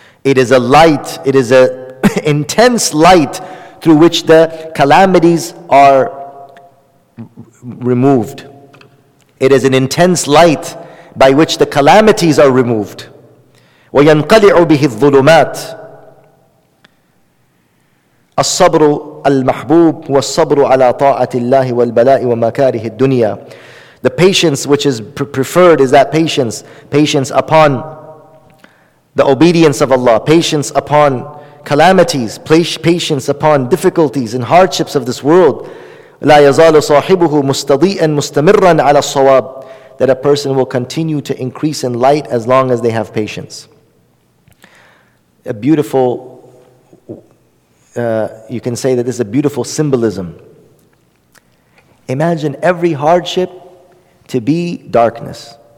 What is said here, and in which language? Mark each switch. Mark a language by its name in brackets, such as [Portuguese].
[English] It is a light, it is an intense light through which the calamities are removed. It is an intense light by which the calamities are removed. [Arabic] وَيَنْقَلِعُ بِهِ الظُّلُمَاتِ. الصبر المحبوب والصبر على طاعة الله والبلاء ومكاره الدنيا. [English] The patience which is preferred is that patience upon the obedience of Allah, patience upon calamities, patience upon difficulties and hardships of this world. [Arabic] لا يزال صاحبه مستضيئا مستمرا على الصواب. [English] That a person will continue to increase in light as long as they have patience. A beautiful, you can say that this is a beautiful symbolism. Imagine every hardship to be darkness.